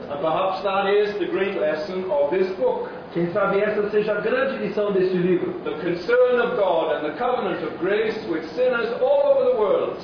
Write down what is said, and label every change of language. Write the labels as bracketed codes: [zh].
[en] And perhaps that is the great lesson of this book. [pt] Quem sabe essa seja a grande lição deste livro. [en] The concern of God and the covenant of grace with sinners all over the world.